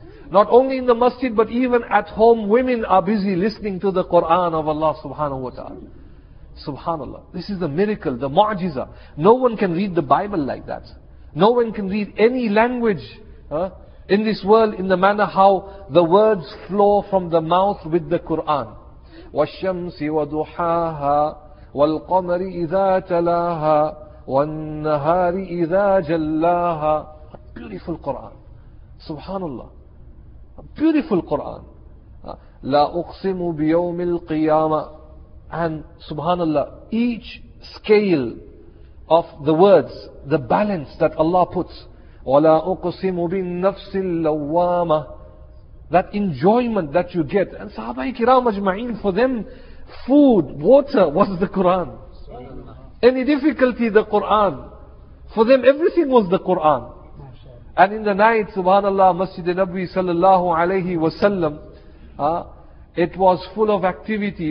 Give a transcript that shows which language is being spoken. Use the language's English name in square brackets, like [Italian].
[English] Not only in the masjid, but even at home, women are busy listening to the Quran of Allah subhanahu wa ta'ala. Subhanallah. This is the miracle, the mu'jiza. No one can read the Bible like that. No one can read any language in this world in the manner how the words flow from the mouth with the Quran. [Arabic] والشمس وضحاها والقمر إذا تلاها والنهار إذا جلاها. [English] Beautiful Quran. Subhanallah. Beautiful Quran. [Arabic] لا أقسم بيوم القيامة. [English] And subhanallah, each scale of the words, the balance that Allah puts. [Arabic] ولا أقسم بالنفس اللوامة. [English] That enjoyment that you get. And sahaba ikram ajma'in, for them, food, water was the Quran. Any difficulty, the Quran. For them, everything was the Quran. And in the night, subhanallah, Masjid Nabi sallallahu alayhi wa sallam, it was full of activity.